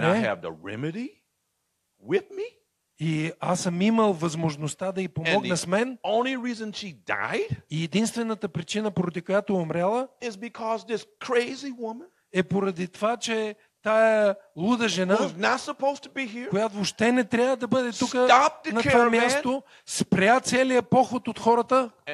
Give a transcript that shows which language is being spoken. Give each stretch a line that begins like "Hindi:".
English: and I have the remedy with me,
Bulgarian: и аз съм имал възможността да й помогна с мен,
English: the only reason she died,
Bulgarian: и единствената причина, поради която умряла,
English: is because this crazy woman,
Bulgarian: е поради това, че тая луда жена, която въобще не трябва да бъде тук на това място, спря целият поход от хората.